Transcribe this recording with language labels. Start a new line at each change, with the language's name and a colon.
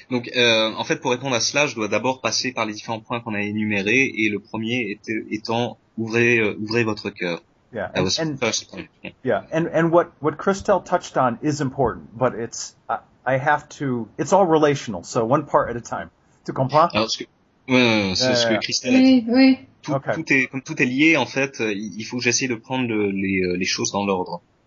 French: Donc, en fait, pour répondre à cela, je dois d'abord passer par les différents points qu'on a énumérés, et le premier étant ouvrez votre cœur.
English: Yeah, That was the first point. Yeah. and what Christelle touched on is important, but I have to, it's all relational, so one part at a time.
French: Tu comprends? Alors, c'est ce que Christelle a dit. Oui. Okay. Comme tout est lié, en fait, il faut que j'essaie de prendre les choses dans l'ordre.